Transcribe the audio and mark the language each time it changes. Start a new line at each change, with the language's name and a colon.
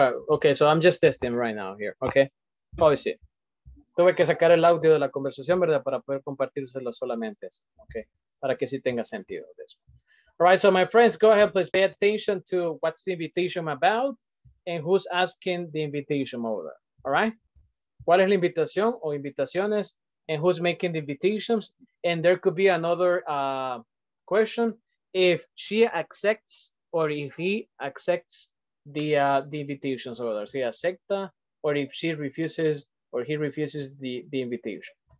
English: Okay, so I'm just testing right now here, okay? Obviously.
Spanish: Tuve que sacar el audio de la conversación, ¿verdad? Para poder compartírselo solamente, okay? Para que sí tenga sentido de eso.
English: All right, so my friends, go ahead, please pay attention to what's the invitation about and who's asking the invitation over there, all right?
Spanish: ¿Cuál es la invitación o invitaciones and who's making the invitations?
English: And there could be another question. If she accepts or if he accepts the invitations over there. Si acepta or if she refuses or he refuses the invitation.